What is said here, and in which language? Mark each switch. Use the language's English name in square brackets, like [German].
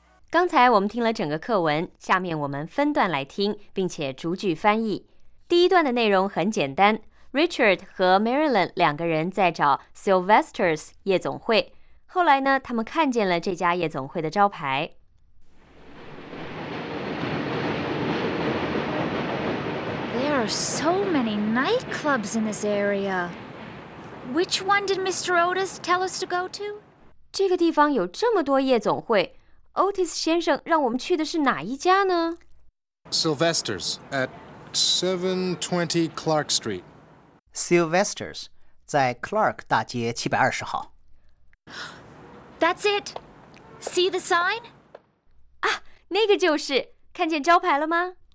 [Chinese] 刚才我们听了整个课文，下面我们分段来听，并且逐句翻译。第一段的内容很简单， Richard 和 Marilyn 两个人在找 Sylvester's 夜总会，后来呢，他们看见了这家夜总会的招牌。 [English] There are so many nightclubs in this area. Which one did Mr. Otis tell us to go to? [Chinese] 这个地方有这么多夜总会。Otis 先生让我们去的是哪一家呢？ [English] Sylvester's at 720 Clark Street. [Chinese] Sylvester's 在 Clark 大街720号。 [English] That's it. See the sign? [Chinese] 啊，那个就是。看见招牌了吗？